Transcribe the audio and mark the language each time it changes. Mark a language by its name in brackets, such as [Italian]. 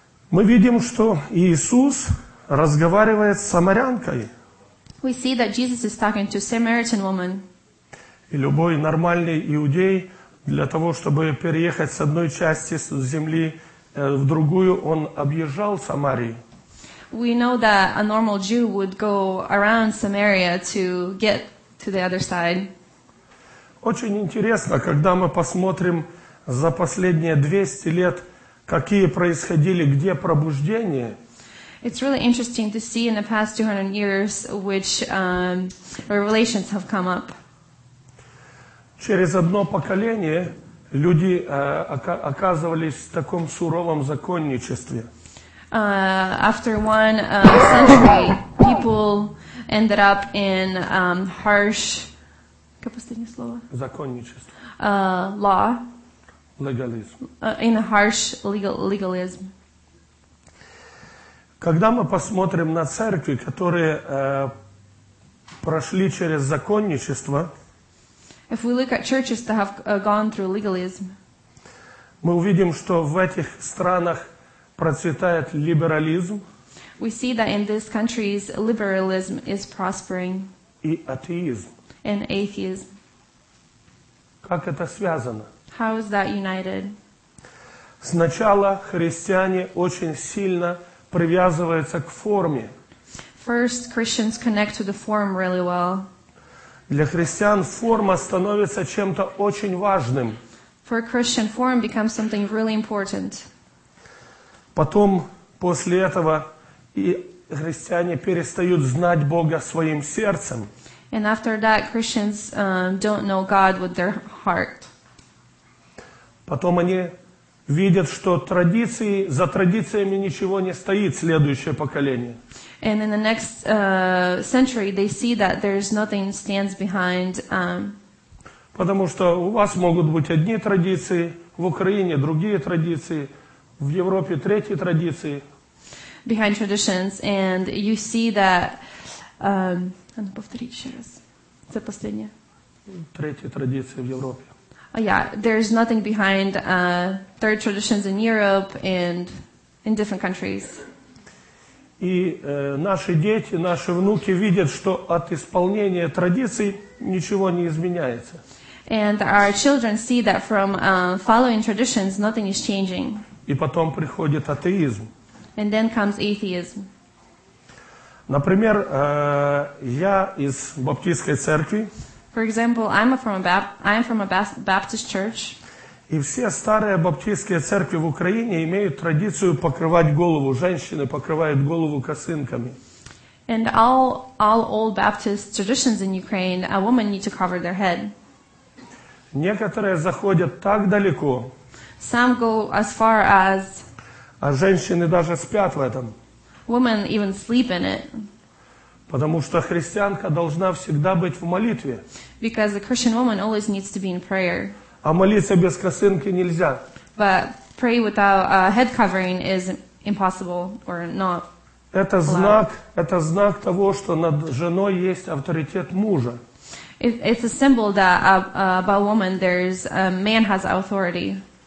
[Russian] Мы видим, что Иисус разговаривает с самарянкой. [English] We see that Jesus is talking to a Samaritan woman. [Russian] И любой нормальный иудей для того, чтобы переехать с одной части земли в другую, он объезжал Самарию. [English] We know that a normal Jew would go around Samaria to get to the other side. [Russian] Очень интересно, когда мы посмотрим за последние 200 лет, какие происходили, где пробуждения. [English] It's really interesting to see in the past 200 years which revelations have come up. [Russian] Через одно поколение люди оказывались в таком суровом законничестве. [English] After one century, people ended up in harsh... [Russian] Как последнее слово? Законничество. [English] Law. Legalism. In a harsh legalism. [Russian] Когда мы посмотрим на церкви, которые прошли через законничество, [English] if we look at churches that have gone through legalism, [Russian] мы увидим, что в этих странах процветает либерализм. [English] We see that in these countries liberalism is prospering. [Russian] И атеизм. [English] And atheism. [Russian] Как это связано? [English] How is that united? [Russian] Сначала христиане очень сильно привязываются к форме. [English] First, Christians connect to the form really well. [Russian] Для христиан форма становится чем-то очень важным. [English] For a Christian, form becomes something really important. [Russian] Потом, после этого, и христиане перестают знать Бога своим сердцем. [English] And after that, Christians don't know God with their heart. [Russian] Потом они видят, что традиции, за традициями ничего не стоит следующее поколение. [English] And in the next century, they see that there's nothing stands behind. [Russian] Потому что у вас могут быть одни традиции, в Украине другие традиции, в Европе третьи традиции. [English] Behind traditions, and you see that. [Russian] Надо повторить еще раз. Это последнее. Третьи традиции в Европе. [English] Yeah, there's nothing behind third traditions in Europe and in different countries. [Russian] И наши дети, наши внуки видят, что от исполнения традиций ничего не изменяется. [English] And our children see that from following traditions, nothing is changing. [Russian] И потом приходит атеизм. [English] And then comes atheism. [Russian] Например, я из баптистской церкви. [English] For example, I'm from a Baptist church. [Russian] И все старые баптистские церкви в Украине имеют традицию покрывать голову. Женщины покрывают голову косынками. [English] And all old Baptist traditions in Ukraine, a woman needs to cover their head. [Russian] Некоторые заходят так далеко. [English] Some go as far as. [Russian] А женщины даже спят в этом. [English] Women even sleep in it. [Russian] Потому что христианка должна всегда быть в молитве. [English] Because a Christian woman always needs to be in prayer. [Russian] А молиться без косынки нельзя. [English] But pray without a head covering is impossible or not. [Russian] Это знак того, что над женой есть авторитет мужа. [English] It's a symbol that about woman there's a man has authority.